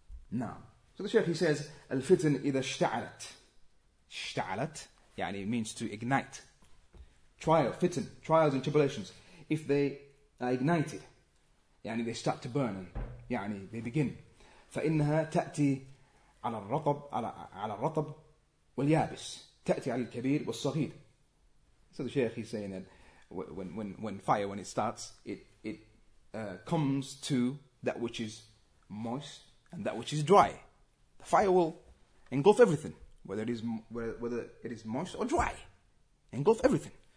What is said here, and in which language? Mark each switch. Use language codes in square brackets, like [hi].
[en] Now, so the Shaykh, he says, [ar] الفتن إذا اشتعلت. [en] اشتعلت, يعني it means to ignite. Trial, fitn, trials and tribulations. If they are ignited, يعني they start to burn, يعني they begin. [ar] فإنها تأتي على الرطب, على الرطب واليابس. تأتي على الكبير والصغير. [en] So the Shaykh, he's saying that when it starts, it comes to that which is moist, and that which is dry. The fire will engulf everything, whether it is moist or dry. Engulf everything.